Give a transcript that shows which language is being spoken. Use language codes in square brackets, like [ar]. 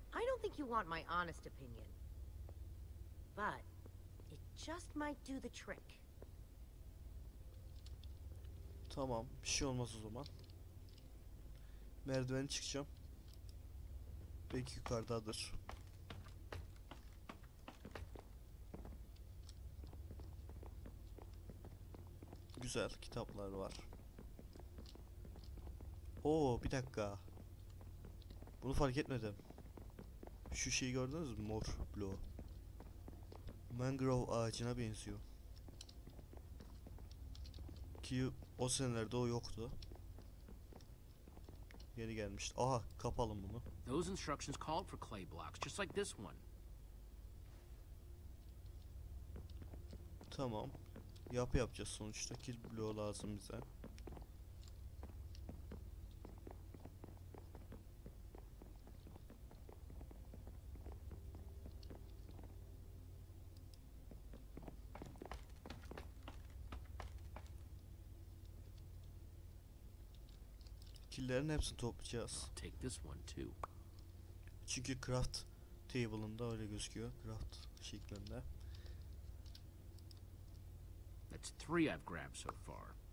[en] I don't think you want my honest opinion. But it just might do the trick. [tr] Tamam, bir şey olmaz o zaman. Merdiveni çıkacağım. Belki yukarıdadır. Güzel kitaplar var. Oo, bir dakika. Bunu fark etmedim. Şu şeyi gördünüz mü? Mor, blue. Mangrove ağacına benziyor. Ki o senelerde o yoktu. Geri gelmişti. Aha, kapalım bunu. [en] Those instructions called for clay blocks, just like this one. [tr] Tamam. Yapı yapacağız sonuçta. Kill bloğu lazım bize. Killerin hepsini toplayacağız. [en] Take this one too. [tr] Çünkü craft table'ında öyle gözüküyor. Craft şeklinde. [en] That's three I've grabbed so far.